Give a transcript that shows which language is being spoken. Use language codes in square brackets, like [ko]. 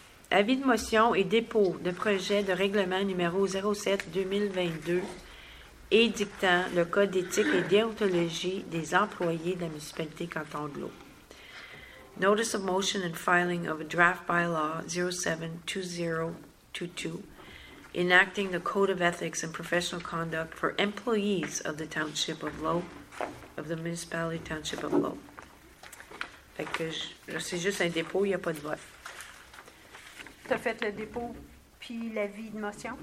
[fr] Avis de motion et dépôt de projet de règlement numéro 07-2022 édictant le code d'éthique et déontologie des employés de la municipalité canton de l'eau. [en] Notice of motion and filing of a draft bylaw 072022 enacting the Code of Ethics and Professional Conduct for employees of the Township of Low, of the Municipality Township of Low. [fr] Fait que c'est juste un dépôt, il n'y a pas de vote. Tu as fait le dépôt puis l'avis de motion?